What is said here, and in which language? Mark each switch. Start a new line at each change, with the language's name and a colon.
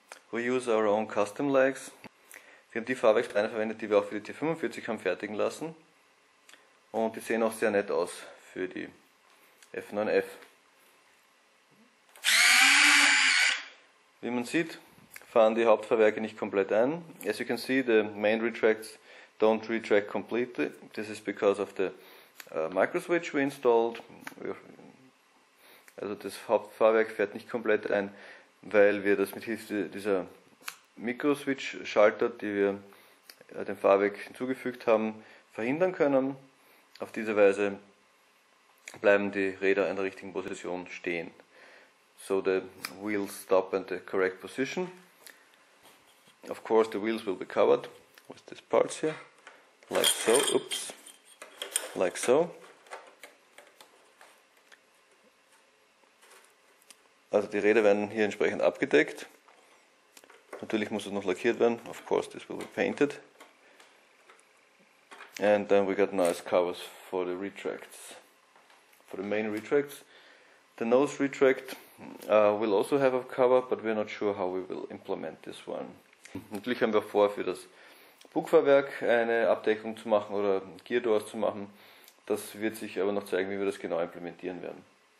English: We use our own custom legs.
German: Wir haben die Fahrwerksteine verwendet, die wir auch für die T45 haben fertigen lassen. Und die sehen auch sehr nett aus für die F9F. Wie man sieht, fahren die Hauptfahrwerke nicht komplett ein.
English: As you can see, the main retracts don't retract completely. This is because of the microswitch we installed.
German: Also das Hauptfahrwerk fährt nicht komplett ein, weil wir das mit Hilfe dieser Microswitch-Schalter, die wir dem Fahrwerk hinzugefügt haben, verhindern können. Auf diese Weise bleiben die Räder in der richtigen Position stehen.
English: So the wheels stop at the correct position. Of course the wheels will be covered with these parts here. Like so, oops. Like so.
German: Also die Räder werden hier entsprechend abgedeckt. Natürlich muss es noch lackiert werden.
English: Of course this will be painted. And then we got nice covers for the retracts. For the main retracts. The nose retract will also have a cover, but we're not sure how we will implement this one.
German: Natürlich haben wir auch vor, für das Bugfahrwerk eine Abdeckung zu machen oder Gear Doors zu machen. Das wird sich aber noch zeigen, wie wir das genau implementieren werden.